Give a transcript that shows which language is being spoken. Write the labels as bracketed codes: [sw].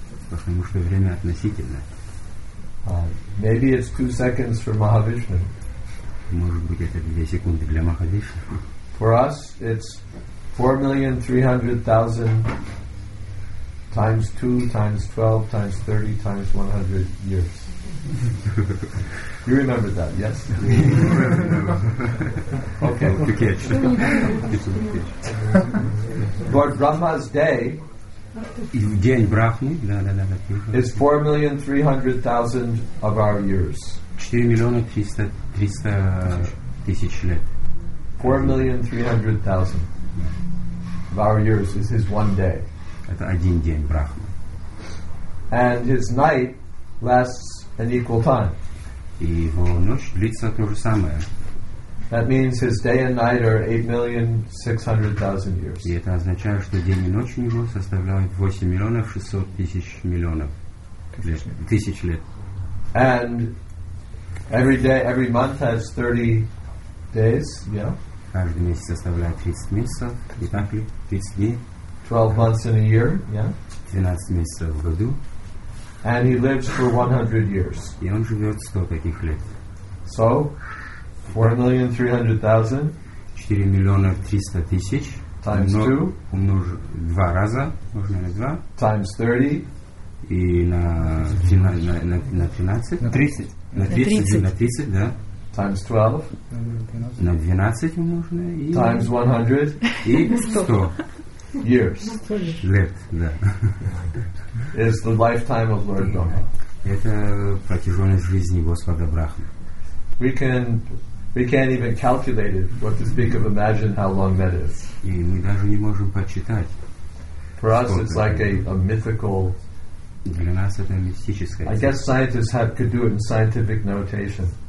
[ru] Потому что время относительно. [en] Maybe it's 2 seconds for Mahavishnu. [ru] Может быть, это 2 секунды для Махавишну. [en] For us, it's 4,300,000 times 2 times 12 times 30 times 100 years. You remember that, yes? Okay. To catch. But Brahma's day is 4,300,000 of our years. 4,300,000 of our years is his one day. [ru] Это один день Брахмы. [en] And his night lasts an equal time. [ru] И его ночь длится то же самое. [en] That means his day and night are 8,600,000 years. [ru] И это означает, что день и ночь у него составляют 8,600,000 тысяч лет. [en] And every day, every month has 30 days, yeah? [ru] Каждый месяц составляет 30 месяцев, и так ли, 30 дней. [en] 12 months in a year, yeah? [ru] 12 месяцев в году. [en] And he lives for 100 years. [ru] И он живет 100 таких лет. [en] So, 4,300,000. [ru] 4,300,000. [en] Times 2. [ru] Умножить 2 раза. Можно на 2. [en] Times 30. [ru] И на 13. На 30. На 30. На 30, да. [en] Times 12. [ru] На 12 умножено. [en] Times 100. [ru] И 100. [en] Years. [ru] Лет, да. [en] Is the lifetime of Lord Brahma. [ru] Это протяженность жизни Господа Брахмы. [en] We can't even calculate it, what to speak of, imagine how long that is. [ru] И мы даже не можем подсчитать. [en] For us it's like a mythical. [ru] Для нас это мистическое. [en] I guess scientists could do it in scientific notation.